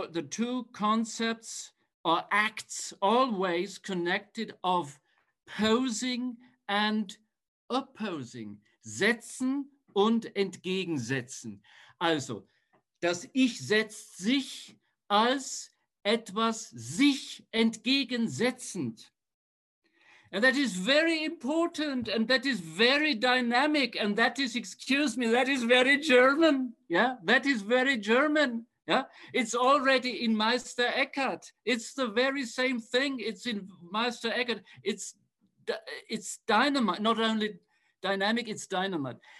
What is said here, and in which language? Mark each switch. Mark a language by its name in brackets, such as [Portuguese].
[English] two concepts or acts always connected of posing and opposing, [German] setzen und entgegensetzen. Also, das Ich setzt sich als etwas sich entgegensetzend. [English] And that is very important, and that is very dynamic, and that is, excuse me, that is very German. Yeah, that is very German. Yeah, it's already in Meister Eckhart. It's the very same thing. It's in Meister Eckhart. It's dynamite, not only dynamic, it's dynamite.